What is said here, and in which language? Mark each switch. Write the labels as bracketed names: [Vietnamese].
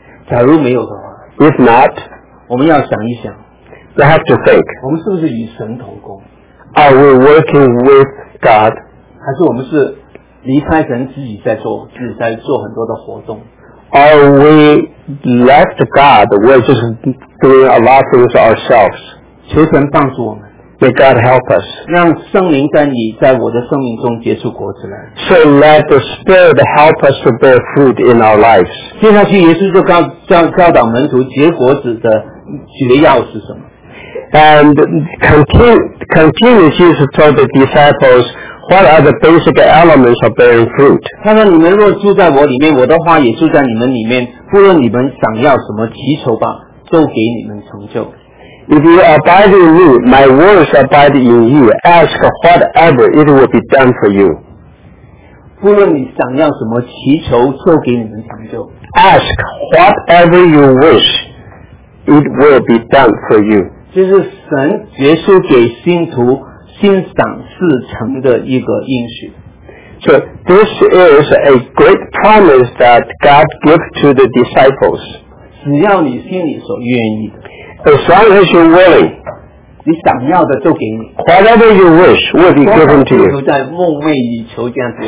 [Chinese] 假如没有的话 [English] ，If not， [Chinese] 我们要想一想。 [English] We have to think. [Chinese] 我们是不是与神同工？ [English] Are we working with God? [Chinese] 还是我们是离开神自己在做，自己在做很多的活动？ [English] Are we left God? We're just doing a lot of things ourselves. [Chinese] 求神帮助我们。 [English] May God help us. [Chinese] 让圣灵在你在我的生命中结出果子来。 [English] So let the Spirit help us to bear fruit in our lives. [Chinese] 接下去耶稣就教导门徒结果子的诀要是什么。 [English] And continue Jesus told the disciples what are the basic elements of bearing fruit. [Chinese] 他说你们若住在我里面，我的话也住在你们里面，不论你们想要什么，祈求吧，都给你们成就。 [English] If you abide in me, my words abide in you. Ask whatever, it will be done for you. [Chinese] 不论你想要什么，祈求就给你们成就。 [English] Ask whatever you wish, it will be done for you. [Chinese] 这是神耶稣给信徒心想事成的一个应许。 [English] So this is a great promise that God gives to the disciples. [Chinese] 只要你心里所愿意的。 [English] As long as you're willing, [Chinese] 你想要的就给你。 [English] Whatever you wish will be given to you. [Chinese] 都在梦寐以求这样子。